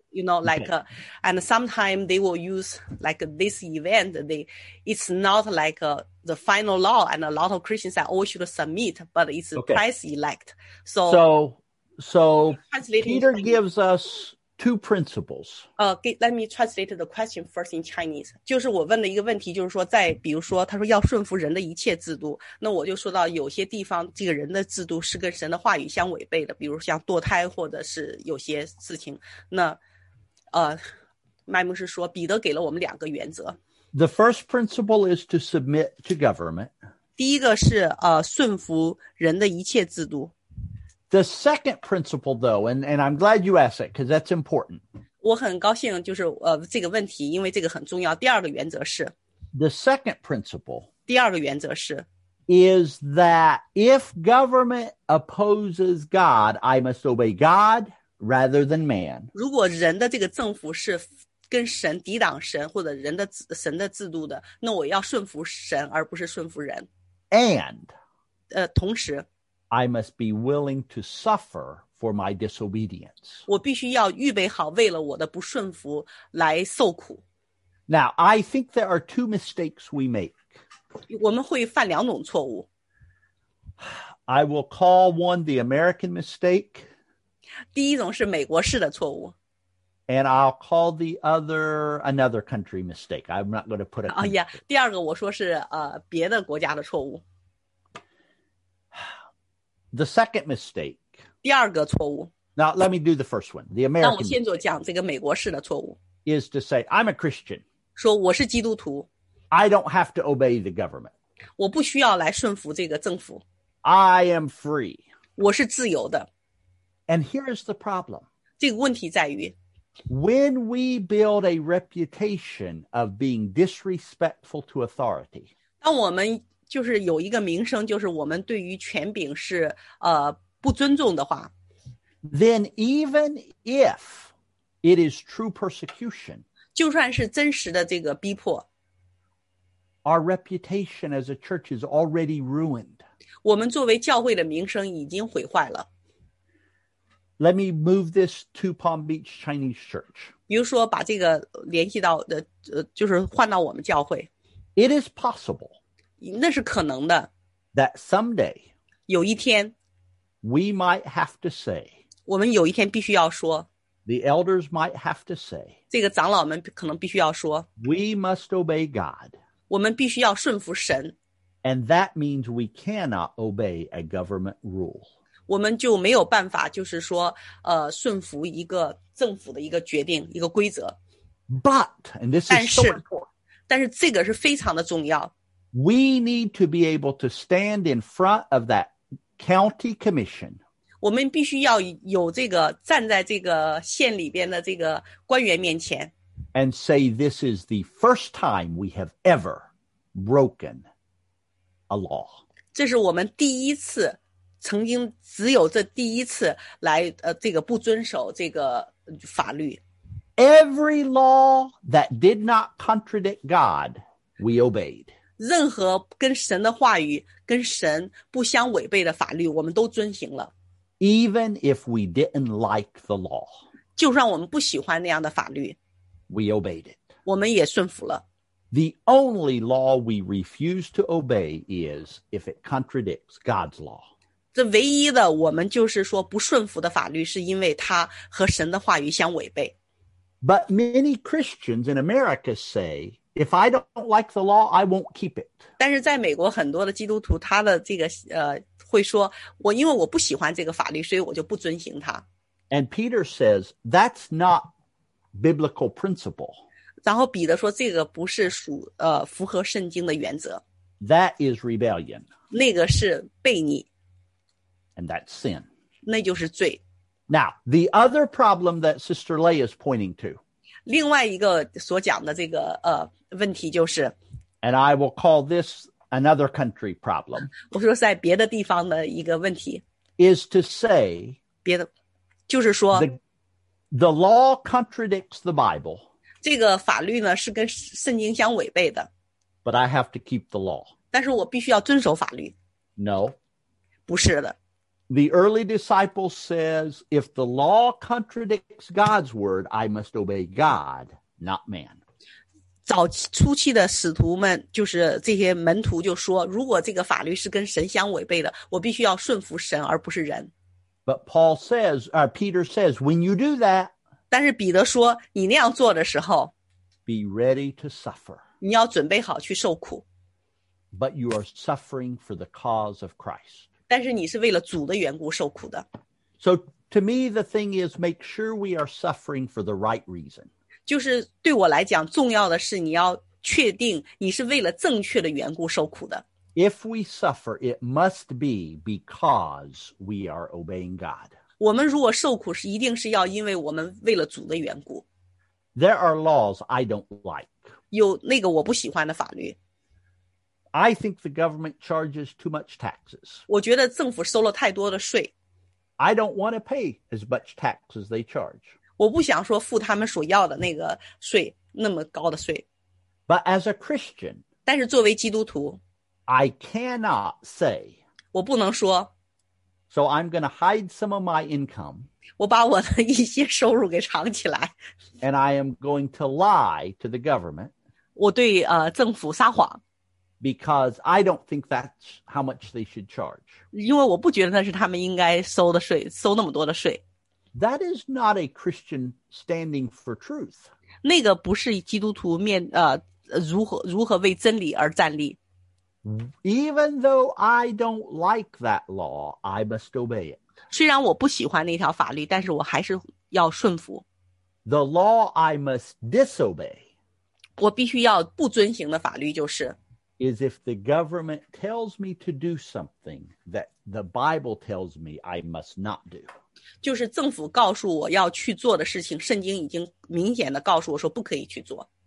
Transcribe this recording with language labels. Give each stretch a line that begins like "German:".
English: You know, and sometimes they will use this event. It's not like a. The final law, and a lot of Christians are all should submit, but it's a Christ elect. So Peter gives us two principles. Let me translate the question first in Chinese.
Chinese: 就是我问的一个问题，就是说，在比如说，他说要顺服人的一切制度，那我就说到有些地方这个人的制度是跟神的话语相违背的，比如像堕胎或者是有些事情。那麦牧师说，彼得给了我们两个原则。
English: The first principle is to submit to government.
Chinese: 第一个是顺服人的一切制度。
English: The second principle, though, and I'm glad you asked it, because that's important.
Chinese: 我很高兴就是这个问题，因为这个很重要。第二个原则是。
English: The second principle.
Chinese: 第二个原则是。
English: Is that if government opposes God, I must obey God rather than man.
Chinese: 如果人的这个政府是跟神抵挡神或者人的神的制度的，那我要顺服神而不是顺服人。
English: And,
Chinese: 同时
English: ，I must be willing to suffer for my disobedience.
Chinese: 我必须要预备好为了我的不顺服来受苦。
English: Now, I think there are two mistakes we make.
Chinese: 我们会犯两种错误。
English: I will call one the American mistake.
Chinese: 第一种是美国式的错误。
English: And I'll call the other another country mistake. I'm not going to put a country. Oh, yeah.
Chinese: 第二个我说是别的国家的错误。
English: The second mistake.
Chinese: 第二个错误。
English: Now, let me do the first one. The American.
Chinese: 那我先做讲这个美国式的错误。
English: Is to say, I'm a Christian.
Chinese: 说我是基督徒。
English: I don't have to obey the government.
Chinese: 我不需要来顺服这个政府。
English: I am free.
Chinese: 我是自由的。
English: And here is the problem.
Chinese: 这个问题在于。
English: When we build a reputation of being disrespectful to authority,
Chinese: 当我们就是有一个名声，就是我们对于权柄是不尊重的话，
English: then even if it is true persecution,
Chinese: 就算是真实的这个逼迫，
English: our reputation as a church is already ruined.
Chinese: 我们作为教会的名声已经毁坏了。
English: Let me move this to Palm Beach Chinese Church.
Chinese: 比如说把这个联系到就是换到我们教会。
English: It is possible.
Chinese: 那是可能的。
English: That someday.
Chinese: 有一天。
English: We might have to say.
Chinese: 我们有一天必须要说。
English: The elders might have to say.
Chinese: 这个长老们可能必须要说。
English: We must obey God.
Chinese: 我们必须要顺服神。
English: And that means we cannot obey a government rule.
Chinese: 我们就没有办法就是说顺服一个政府的一个决定一个规则。
English: But, and this is so important.
Chinese: 但是这个是非常的重要。
English: We need to be able to stand in front of that county commission.
Chinese: 我们必须要有这个站在这个县里边的这个官员面前。
English: And say this is the first time we have ever broken a law.
Chinese: 这是我们第一次曾经只有这第一次来这个不遵守这个法律。
English: Every law that did not contradict God, we obeyed.
Chinese: 任何跟神的话语跟神不相违背的法律我们都遵行了。
English: Even if we didn't like the law,
Chinese: 就算我们不喜欢那样的法律
English: we obeyed it.
Chinese: 我们也顺服了。
English: The only law we refuse to obey is if it contradicts God's law.
Chinese: 这唯一的我们就是说不顺服的法律是因为它和神的话语相违背。
English: But many Christians in America say, if I don't like the law, I won't keep it.
Chinese: 但是在美国很多的基督徒他的这个会说我因为我不喜欢这个法律所以我就不遵行它。
English: And Peter says, that's not biblical principle.
Chinese: 然后彼得说这个不是符合圣经的原则。
English: That is rebellion.
Chinese: 那个是悖逆。
English: And that's sin.
Chinese: 那就是罪。
English: Now, the other problem that Sister Lay is pointing to.
Chinese: 另外一个所讲的这个问题就是。
English: And I will call this another country problem.
Chinese: 我说在别的地方的一个问题。
English: Is to say.
Chinese: 别的。就是说。
English: The law contradicts the Bible.
Chinese: 这个法律呢是跟圣经相违背的。
English: But I have to keep the law.
Chinese: 但是我必须要遵守法律。
English: No.
Chinese: 不是的。
English: The early disciple says, if the law contradicts God's word, I must obey God, not man.
Chinese: 早初期的使徒们就是这些门徒就说如果这个法律是跟神相违背的我必须要顺服神而不是人。
English: But Paul says, Peter says, when you do that,
Chinese: 但是彼得说你那样做的时候
English: be ready to suffer.
Chinese: 你要准备好去受苦。
English: But you are suffering for the cause of Christ.
Chinese: 但是你是为了主的缘故受苦的。
English: So to me, the thing is, make sure we are suffering for the right reason.
Chinese: 就是对我来讲，重要的是你要确定你是为了正确的缘故受苦的。
English: If we suffer, it must be because we are obeying God.
Chinese: 我们如果受苦是一定是要因为我们为了主的缘故。
English: There are laws I don't like.
Chinese: 有那个我不喜欢的法律。
English: I think the government charges too much taxes.
Chinese: 我觉得政府收了太多的税。
English: I don't want to pay as much tax as they charge.
Chinese: 我不想说付他们所要的那个税，那么高的税。
English: But as a Christian,
Chinese: 但是作为基督徒
English: I cannot say,
Chinese: 我不能说
English: So I'm going to hide some of my income.
Chinese: 我把我的一些收入给藏起来
English: And I am going to lie to the government.
Chinese: 我对政府撒谎。
English: Because I don't think that's how much they should charge.
Chinese: 因为我不觉得那是他们应该收的税，收那么多的税。
English: That is not a Christian standing for truth.
Chinese: 那个不是基督徒面如何为真理而站立。
English: Even though I don't like that law, I must obey it.
Chinese: 虽然我不喜欢那条法律，但是我还是要顺服。
English: The law I must disobey.
Chinese: 我必须要不遵行的法律就是。
English: Is if the government tells me to do something that the Bible tells me I must not do.
Chinese: 就是政府告诉我要去做的事情，圣经已经明显的告诉我说不可以去做。